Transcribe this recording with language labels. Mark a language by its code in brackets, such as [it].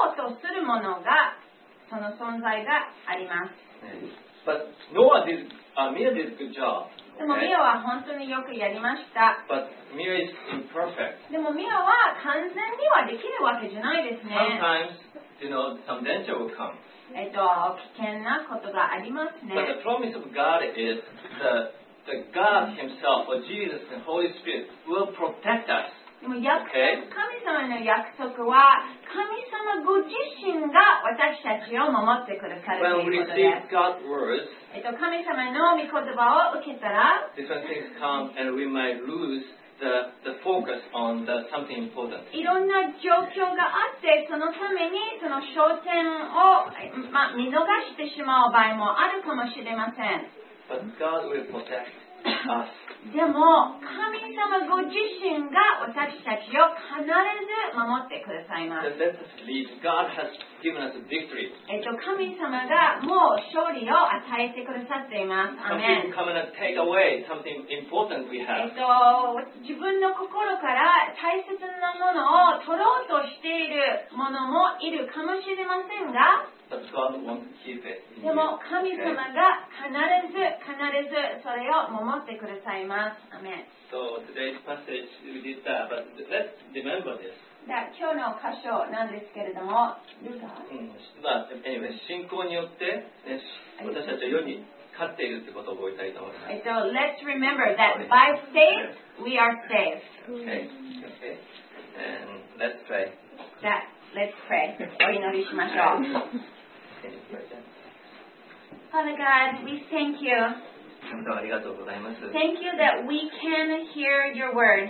[ja] うとするものが、その存在があります。 [en] But Noah did, Mia did a good job.、Okay? [ja] でも、ミアは本当によくやりました。 [en] But Mia is imperfect. [ja] でも、ミアは完全にはできるわけじゃないですね。 [en] Sometimes, you know, some danger will come. [ja] 危険なことがありますね。 [en] But the promise of God is the God Himself, or Jesus and Holy Spirit, will protect us. [ja] でも約束、okay? 神様の約束は、神様ご自身が私たちを守ってくださるということです。 [en] When we receive God's words, [ja] 神様の御言葉を受けたら、 [en] different things come and we might lose. The focus on the something important. [ja] いろんな状況があって、そのためにその焦点を、ま、見逃してしまう場合もあるかもしれません。 [en] But God will protect us. [ja] でも、神様ご自身が私たちを必ず守ってくださいます。 [en] Let us believe God has given us a victory. [ja] 神様がもう勝利を与えてくださっています。アメン。 [en] Something come and take away something important we have. [ja] 自分の心から大切なものを取ろうとしているものもいるかもしれませんが、でも神様が必ずそれを守ってくださいます。アメン。 [en] So today's passage we did that, but let's remember this. [ja] 今日の箇所なんですけれども、ルカ。まあ、anyway, 信仰によって、ね、私たちは世に勝っているってことを覚えたいと思います。 [en] So let's remember that by faith we are saved. Okay. And let's pray. Let's pray. [ja] お祈りしましょう。 [en] Father God, we thank you. Thank you that we can hear your word.